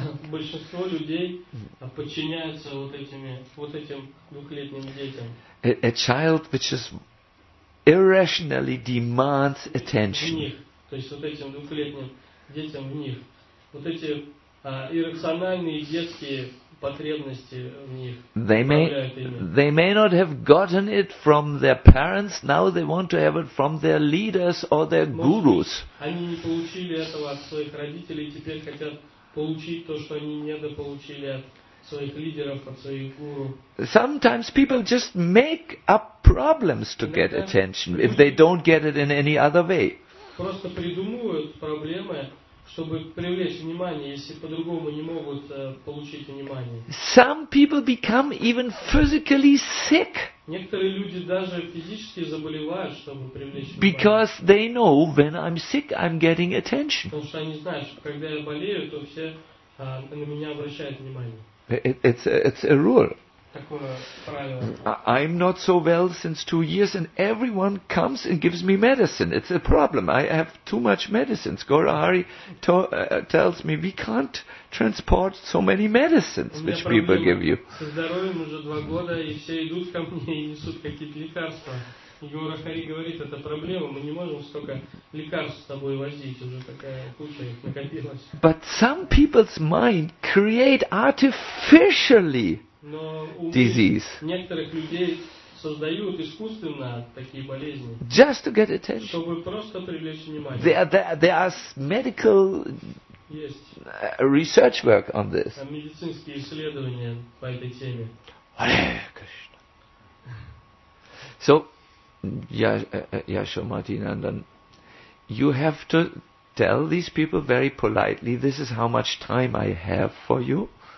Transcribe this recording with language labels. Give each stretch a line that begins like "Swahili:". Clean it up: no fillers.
Russian: Большинство людей подчиняются вот этим двухлетним детям.
English: A child which just irrationally demands attention.
Russian: В них, то есть вот этим двухлетним детям в них. Вот эти иррациональные детские потребности в них.
English: They may not have gotten it from their parents, now they want to have it from their leaders or their gurus.
Russian: Они не получили этого от своих родителей, теперь хотят получить то, что они недополучили от своих лидеров, от своих гуру.
English: Sometimes people just make up problems to get attention if they don't get it in any other way.
Russian: Просто придумывают проблемы, чтобы привлечь внимание, если по-другому не могут получить внимание.
English: Some people become even physically sick.
Russian: Некоторые люди даже физически заболевают, чтобы привлечь внимание.
English: Because they know when I'm sick, I'm getting attention.
Russian: Потому что они знают, что когда я болею, то все на меня обращают внимание.
English: It's a rule.
Russian: Такое правило.
English: I'm not so well since 2 years, and everyone comes and gives me medicine. It's a problem. I have too much medicines. Gaurahari tells me we can't transport so many medicines which people give you.
Russian: Со здоровьем уже 2 года, и все идут ко мне и несут какие-то лекарства. Гаурахари говорит, это проблема. Мы не можем столько лекарств с тобой возить. Уже такая куча их накопилась.
English: But some people's mind create artificially
Russian: disease. Некоторых людей создают искусственно такие болезни.
English: Just to get attention.
Russian: Чтобы просто привлечь внимание.
English: There are medical research work on this.
Russian: Там медицинские исследования по этой теме.
English: Hare Krishna. So, Yasho Martinandan, you have to tell these people very politely, this is how much time I have for you.